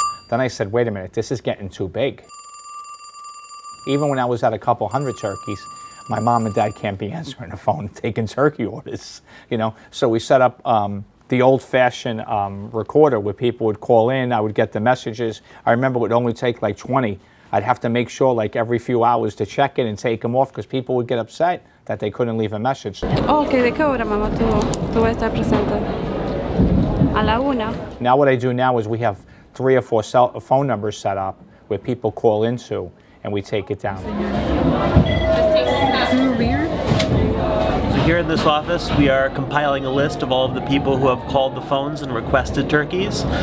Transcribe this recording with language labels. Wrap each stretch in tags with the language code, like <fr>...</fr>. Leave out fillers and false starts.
<en>Then I said, wait a minute, this is getting too big. Even when I was at a couple hundred turkeys, my mom and dad can't be answering the phone taking turkey orders, you know? So we set up the old-fashioned recorder where people would call in, I would get the messages. I remember it would only take like 20. I'd have to make sure like every few hours to check it and take them off because people would get upset that they couldn't leave a message.</en> <es>Okay, ¿de qué hora, mamá, tú vas a estar presente? A la una.</es> <en>Now what I do now is we have three or four phone numbers set up where people call into and we take it down. Here in this office, we are compiling a list of all of the people who have called the phones and requested turkeys.</en>